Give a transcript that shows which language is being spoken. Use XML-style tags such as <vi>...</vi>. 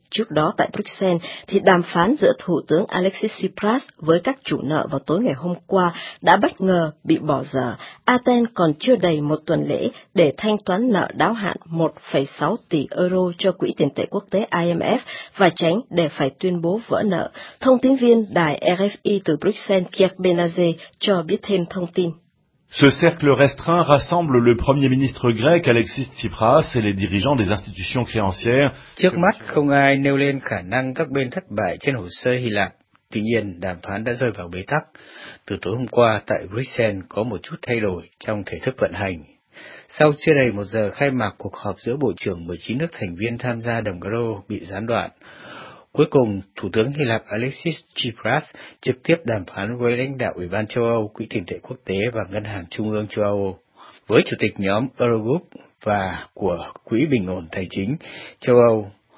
<vi>Trước đó tại Bruxelles, thì đàm phán giữa Thủ tướng Alexis Tsipras với các chủ nợ vào tối ngày hôm qua đã bất ngờ bị bỏ dở. Athens còn chưa đầy một tuần lễ để thanh toán nợ đáo hạn 1,6 tỷ euro cho Quỹ tiền tệ quốc tế IMF và tránh để phải tuyên bố vỡ nợ. Thông tín viên đài RFI từ Bruxelles Kiev Benazé cho biết thêm thông tin.</vi> <fr>Ce cercle restreint rassemble le premier ministre grec Alexis Tsipras et les dirigeants des institutions créancières.</fr> <vi>Trước mắt không ai nêu lên khả năng các bên thất bại trên hồ sơ Hy Lạp. Tuy nhiên, đàm phán đã rơi vào bế tắc. Từ tối hôm qua tại Bruxelles có một chút thay đổi trong thể thức vận hành. Sau chưa đầy một giờ khai mạc cuộc họp giữa bộ trưởng 19 nước thành viên tham gia đồng euro bị gián đoạn, cuối cùng, Thủ tướng Hy Lạp Alexis Tsipras trực tiếp đàm phán với lãnh đạo Ủy ban châu Âu, Quỹ tiền tệ quốc tế và Ngân hàng Trung ương châu Âu, với Chủ tịch nhóm Eurogroup và của Quỹ bình ổn tài chính châu Âu.</vi>